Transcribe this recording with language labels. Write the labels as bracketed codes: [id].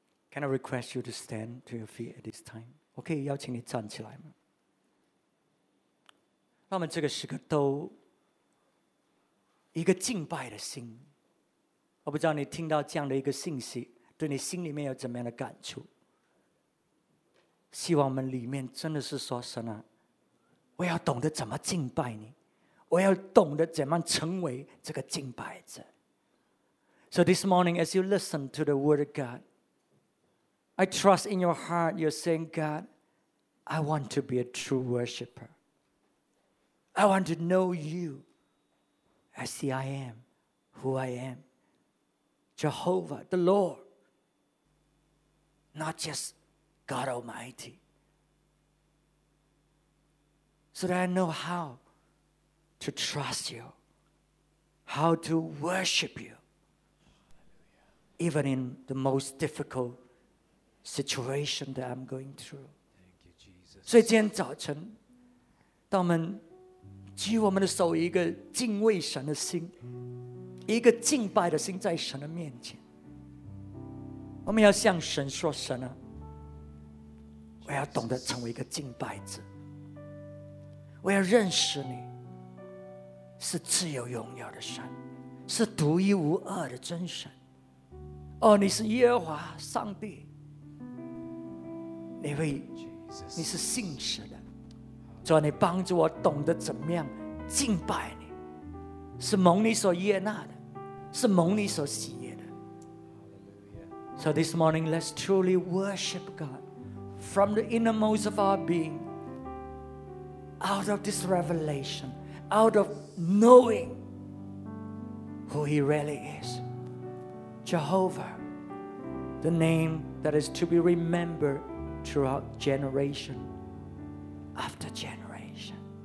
[en] Can I request you to stand to your feet at this time? [zh] 我可以邀请你站起来吗？让我们这个时刻都一个敬拜的心。我不知道你听到这样的一个信息，对你心里面有怎么样的感触？希望我们里面真的是说，神啊，我要懂得怎么敬拜你，我要懂得怎么成为这个敬拜者。 [en] So this morning as you listen to the word of God, I trust in your heart you're saying, God, I want to be a true worshiper. I want to know you as the I am, who I am, Jehovah, the Lord, not just God Almighty. So that I know howto trust you, how to worship you, even in the most difficult situation that I'm going through. Thank you, Jesus. [zh] 所以今天早晨，当我们举我们的手，一个敬畏神的心，一个敬拜的心，在神的面前，我们要向神说，神啊，我要懂得成为一个敬拜者，我要认识你是自由拥有的神，是独一无二的真神。哦，你是耶和华上帝，你是信实的，主啊，你帮助我懂得怎么样敬拜你，是蒙你所悦纳的，是蒙你所喜悦的。 [en] So this morning, let's truly worship God from the innermost of our being, out of this revelation, out of knowing who He really is. Jehovah, the name that is to be remembered throughout generation after generation.